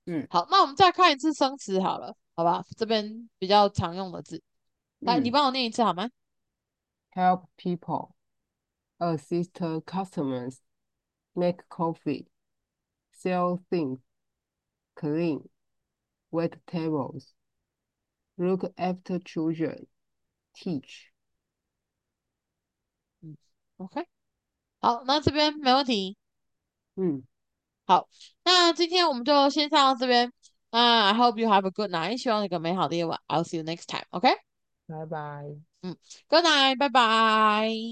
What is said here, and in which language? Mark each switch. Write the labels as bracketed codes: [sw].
[zh] 好，那我们再看一次生词好了，好吧？这边比较常用的字，来，你帮我念一次好吗？ [en] Help people, assist customers, make coffee, sell things, clean, wait tables, look after children, teach. [zh] OK，好，那这边没问题。好，那今天我们就先上到这边。 [en] 那 I hope you have a good night，希望你有个美好的夜晚。 I'll see you next time. OK， [zh] 拜拜。 [en] Good night，拜拜。